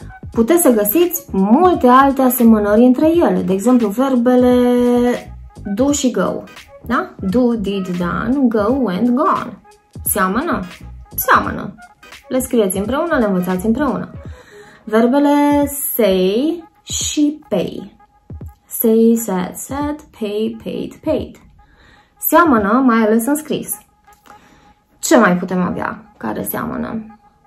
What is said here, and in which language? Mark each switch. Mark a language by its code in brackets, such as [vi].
[ro] Puteți să găsiți multe alte asemănări între ele. De exemplu, verbele do și go. [en] Da? Do, did, done, go, went, gone. [ro] Seamănă? Seamănă. Le scrieți împreună, le învățați împreună. Verbele say și pay. [en] Say, said, said, pay, paid, paid. [ro] Seamănă, mai ales în scris. Ce mai putem avea care seamănă?